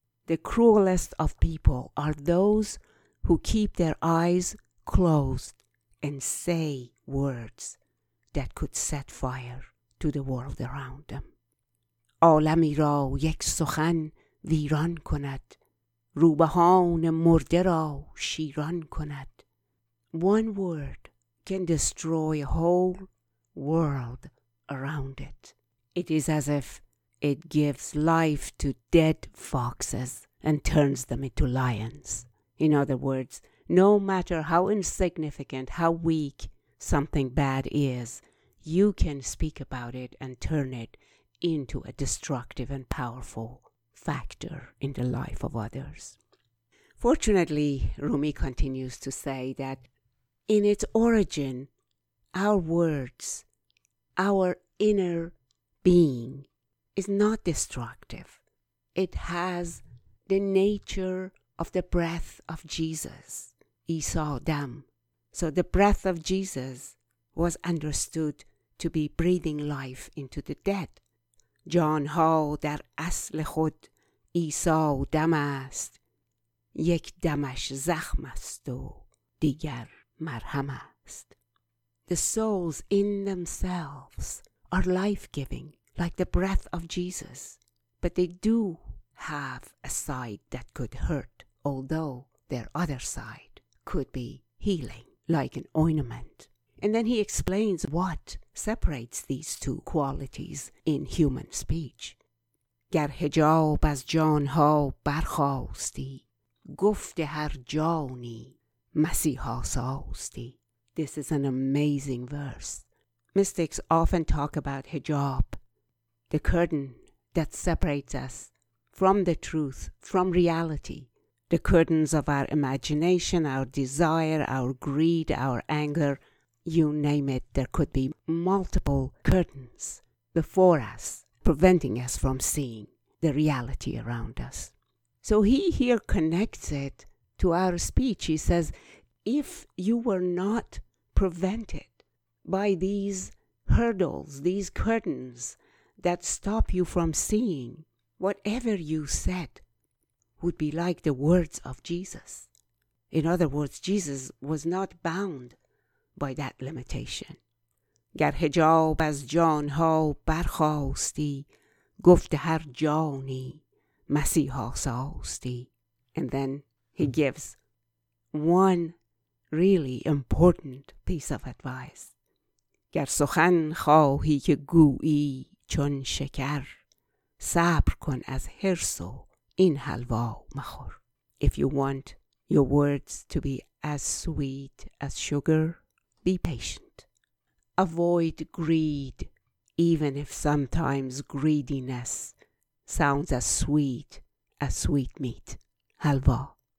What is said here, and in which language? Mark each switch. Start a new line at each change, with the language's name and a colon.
English: The cruelest of people are those who keep their eyes closed and say words that could set fire to the world around them.
Persian: عالمی را یک سخن ویران کند روبهان مرده را شیران کند.
English: One word can destroy a whole world around it. It is as if it gives life to dead foxes and turns them into lions. In other words, no matter how insignificant, how weak something bad is, you can speak about it and turn it into a destructive and powerful factor in the life of others. Fortunately, Rumi continues to say that in its origin, our words, our inner being is not destructive. It has the nature of the breath of Jesus, Esau Dam. So the breath of Jesus was understood to be breathing life into the dead.
Persian: جان ها در اصل خود عیسی دم است، یک دمش زخم است و دیگر مرهم است.
English: The souls in themselves are life-giving, like the breath of Jesus, but they do have a side that could hurt, although their other side could be healing, like an ointment. And then he explains what separates these two qualities in human speech.
Persian: گر حجاب از جان ها برخاستی، گفت هر جانی مسیحا ساستی.
English: This is an amazing verse. Mystics often talk about hijab, the curtain that separates us from the truth, from reality. The curtains of our imagination, our desire, our greed, our anger, you name it, there could be multiple curtains before us, preventing us from seeing the reality around us. So he here connects it to our speech. He says, if you were not prevented by these hurdles, these curtains that stop you from seeing, whatever you said would be like the words of Jesus. In other words, Jesus was not bound by that limitation.
Persian: گر حجاب از جان ها برخاستی، گفت هر جانی مسیحا ساستی.
English: And then he gives one really important piece of advice.
Persian: گر سخن خواهی که گویی چون شکر، صبر کن از حرص و این حلوا مخور.
English: If you want your words to be as sweet as sugar, be patient. Avoid greed, even if sometimes greediness sounds as sweet meat, halva.